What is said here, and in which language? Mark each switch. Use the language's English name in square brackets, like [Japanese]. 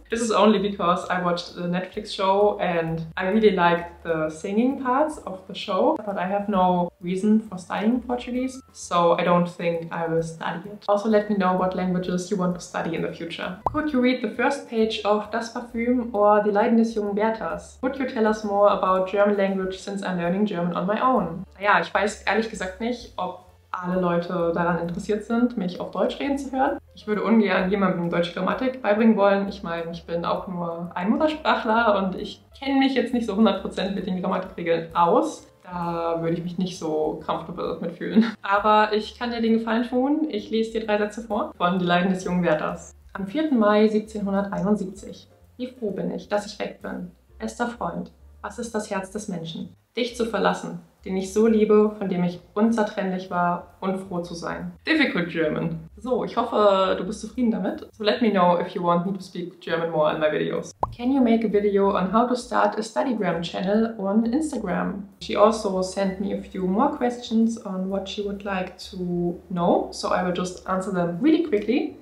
[English] This is only because I watched the Netflix show and I really liked the singing parts of the show, but I have no reason for studying Portuguese, so I don't think I will study it. Also, let me know what languages you want to study in the future. Could you read the first page of Das Parfüm or Die Leiden des jungen Werthers? Would you tell us more about German language since I'm learning German on my own? [German] Naja, ich weiß ehrlich gesagt nicht, ob alle Leute daran interessiert sind, mich auf Deutsch reden zu hören. Ich würde ungern jemandem deutsche Grammatik beibringen wollen. Ich meine, ich bin auch nur ein Muttersprachler und ich kenne mich jetzt nicht so 100% mit den Grammatikregeln aus. Da würde ich mich nicht so comfortable damit fühlen. Aber ich kann dir den Gefallen tun. Ich lese dir drei Sätze vor von Die Leiden des jungen Werthers. Am 4. Mai 1771. Wie froh bin ich, dass ich weg bin. Bester Freund, was ist das Herz des Menschen? Dich zu verlassen, den ich so liebe, von dem ich unzertrennlich war und froh zu sein. [English] Difficult German. [German] So, ich hoffe, du bist zufrieden damit. [English] So let me know if you want me to speak German more in my videos. Can you make a video on how to start a Studygram channel on Instagram? She also sent me a few more questions on what she would like to know, so I will just answer them really quickly.